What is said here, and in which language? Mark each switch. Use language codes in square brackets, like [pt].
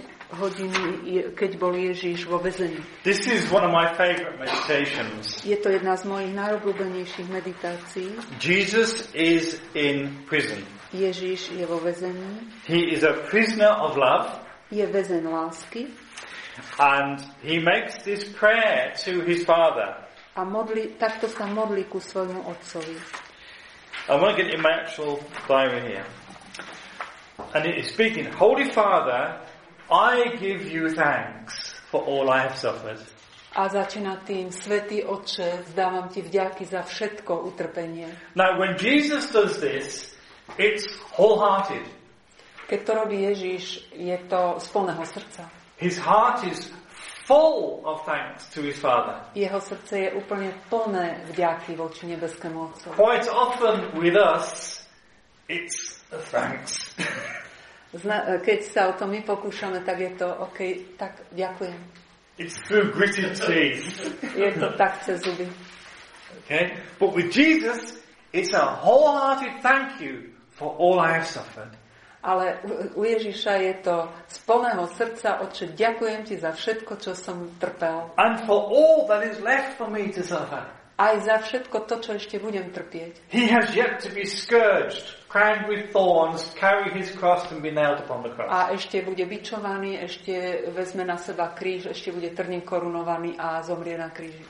[sk] hodiny, keď bol Ježiš vo väzení. [en] This is one of my favorite meditations. [sk] Je to jedna z mojich najobľúbenejších meditácií. [en] Jesus is in prison. [sk] Ježiš je vo väzení. [en] He is a prisoner of love. [sk] Je väzeň lásky. [en] And he makes this prayer to his father. [sk] A modlí, takto sa modlí ku svojmu otcovi. [en] I'm going to get in my actual Bible here. And he is speaking, Holy Father, I give you thanks for all I have suffered. [sk] A začína tým, Svätý Otče, vzdávam ti vďaky za všetko utrpenie. [en] Now when Jesus does this, it's wholehearted. [sk] Keď to robí Ježiš, je to z plného srdca. [en] His heart is full of thanks to his Father. [sk] Jeho srdce je úplne plné vďaky voči nebeskému Otcovi. [en] Quite often with us, it's a thanks. [sk] Keď sa o to my pokúšame, tak je to OK, tak ďakujem. [en] It's through gritted teeth. [sk] Je to tak cez zuby. [en] Okay? But with Jesus, it's a wholehearted thank you for all I have suffered. [sk] Ale u Ježiša je to z plného srdca, Otče, ďakujem ti za všetko, čo som trpel. [en] And for all that is left for me to suffer. [sk] Aj za všetko to, čo ešte budem trpieť. [en] He has yet to be scourged. crowned with thorns, carry his cross and be nailed upon the cross. [sk] A ešte bude bičovaný, ešte vezme na seba kríž, ešte bude trním korunovaný a zomrie na kríži.